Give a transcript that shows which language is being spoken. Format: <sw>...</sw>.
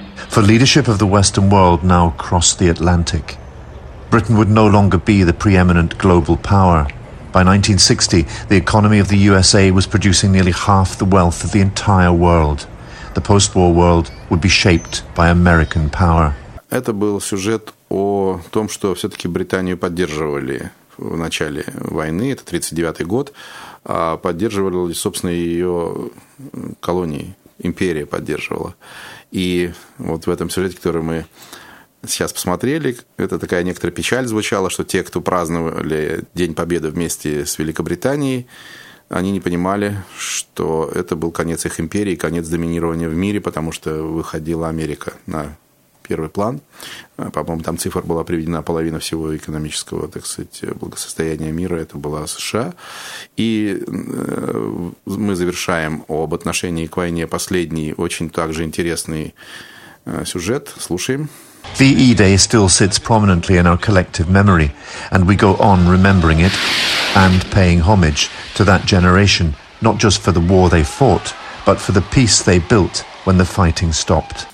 <en>For leadership of the Western world now crossed the Atlantic. Britain would no longer be the preeminent global power. By 1960, the economy of the USA was producing nearly half the wealth of the entire world. The post-war world would be shaped by American power.</en> <ru>Это был сюжет о том, что все-таки Британию поддерживали в начале войны, это 1939 год, а поддерживали, собственно, ее колонии, империя поддерживала. И вот в этом сюжете, который мы сейчас посмотрели, это такая некоторая печаль звучала, что те, кто праздновали День Победы вместе с Великобританией, они не понимали, что это был конец их империи, конец доминирования в мире, потому что выходила Америка на первый план. По-моему, там цифра была приведена, половина всего экономического, так сказать, благосостояния мира, это была США. И мы завершаем об отношении к войне последний, очень также интересный сюжет. Слушаем.</ru> <en>VE Day still sits prominently in our collective memory, and we go on remembering it and paying homage to that generation, not just for the war they fought, but for the peace they built when the fighting stopped.</en>